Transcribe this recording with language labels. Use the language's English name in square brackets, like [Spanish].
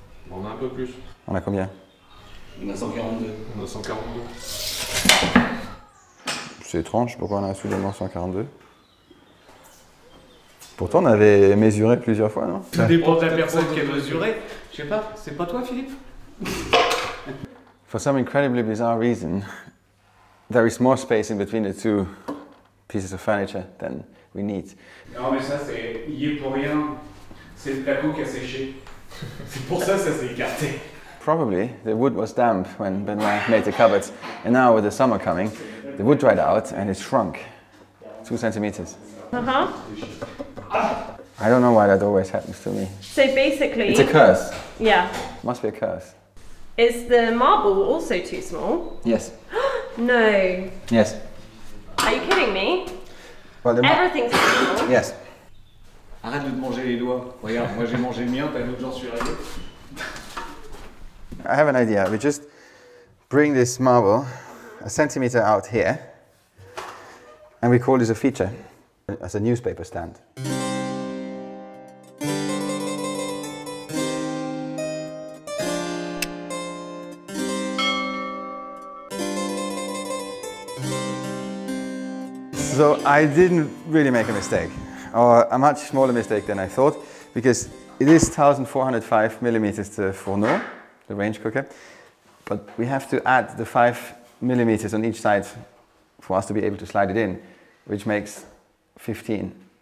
[French] On a un peu plus. On a combien? On a 142. On a 142. C'est étrange, pourquoi on a soudainement 142? Pourtant, on avait mesuré plusieurs fois, non? Tout dépend de la personne qui a mesuré. Je sais pas, c'est pas toi, Philippe? [English] For some incredibly bizarre reason, there is more space in between the two pieces of furniture than we need. [French] Non mais ça c'est il y est pour rien. C'est le placo qui a séché. C'est pour ça que ça s'est écarté. [English] Probably the wood was damp when Benoît made the cupboards, and now with the summer coming, the wood dried out and it shrunk 2 centimeters. Uh-huh. I don't know why that always happens to me. So basically, it's a curse. Yeah. Must be a curse. Is the marble also too small? Yes. No. Yes. Are you kidding me? Well, everything's too small. Yes. [French] Arrête de te manger les doigts. Regarde, moi j'ai mangé le mien, t'as l'autre, j'en suis arrivé. [English] I have an idea. We just bring this marble a centimeter out here and we call this a feature as a newspaper stand. So I didn't really make a mistake, or a much smaller mistake than I thought, because it is 1,405 millimeters to fourneau, the range cooker, but we have to add the 5 millimeters on each side for us to be able to slide it in, which makes 15.